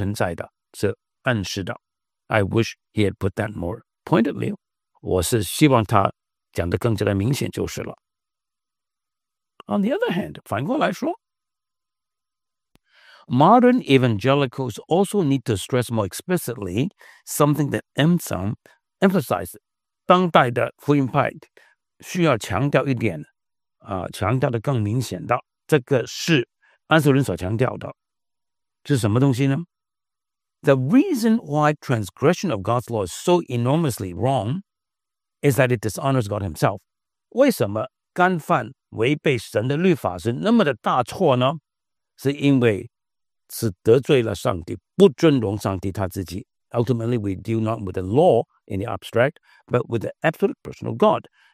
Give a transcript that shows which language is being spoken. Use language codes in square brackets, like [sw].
[zh] 用惩罚来代替人的罪，这个在安瑟伦的论证里面的确是存在的，是暗示的。 [en] I wish he had put that more pointedly. [zh] 我是希望他讲得更加的明显就是了。 [en] On the other hand, [zh] 反过来说， [en] modern evangelicals also need to stress more explicitly something that Anselm emphasized. [zh] 当代的福音派需要强调一点，强调的更明显的，这个是安瑟伦所强调的。是什么东西呢？ [en] The reason why transgression of God's law is so enormously wrong is that it dishonors God himself. [zh] 为什么干犯违背神的律法是那么的大错呢？是因为 是得罪了上帝，不尊荣上帝他自己。 [en] Ultimately, we deal not with the law in the abstract, but with the absolute person of God.